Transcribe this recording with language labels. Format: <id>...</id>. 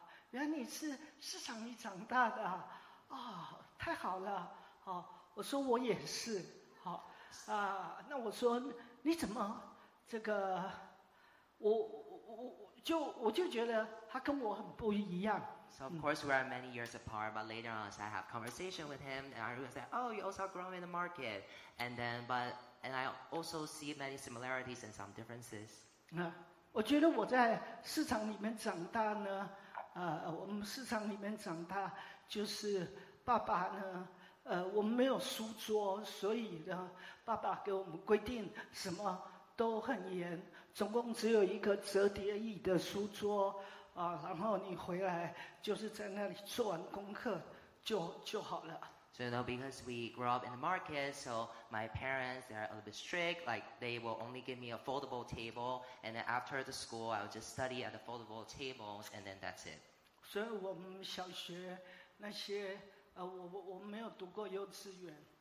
<zh>原来你是市场里长大的啊，哦，太好了，哦，我说我也是，哦，啊，那我说你怎么这个，我就觉得他跟我很不一样。</zh> <en>So of course we are many years apart, but later on as I have conversation with him, and I realize that, oh, you also grow in the market, and I also see many similarities and some differences.</en> <zh>我觉得我在市场里面长大呢，我们市场里面长大就是爸爸呢，我们没有书桌，所以呢，爸爸给我们规定什么都很严，总共只有一个折叠椅的书桌。然后你回来就是在那里做完功课就好了。</zh> <en>So you know, because we grew up in the market, so my parents, they are a little bit strict, like they will only give me a foldable table, and then after the school, I will just study at the foldable tables, and then that's it.</en> <zh>所以我们小学那些我没有读过幼稚园。</zh>